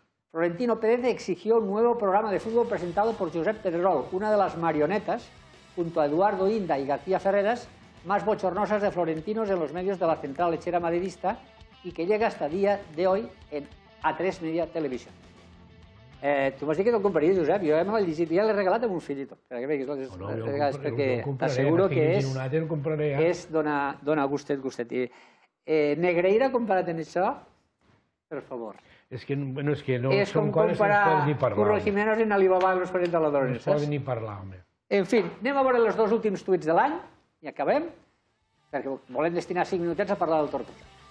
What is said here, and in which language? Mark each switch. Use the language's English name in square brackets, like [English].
[Spanish] Florentino Pérez exigió un nuevo programa de fútbol presentado por Josep Pedrerol, una de las marionetas, junto a Eduardo Inda y García Ferreras, más bochornosas de Florentinos en los medios de la central lechera madridista y que llega hasta día de hoy en A3 Media Televisión. [Catalan] Tu m'has dit que no el compraries, Josep, jo me l'he llegit i ja l'he regalat amb un fill i tot. No, jo el compraré, t'asseguro que és dona gustet. Negreira comparat amb això, per favor. És que no són coses que no es poden ni parlar. És com comparar Jiménez en Alibaba i l'experiment de la dona. No es poden ni parlar, home. En fi, anem a veure els dos últims tuits de l'any i acabem, perquè volem destinar 5 minutets a parlar del Tortosa.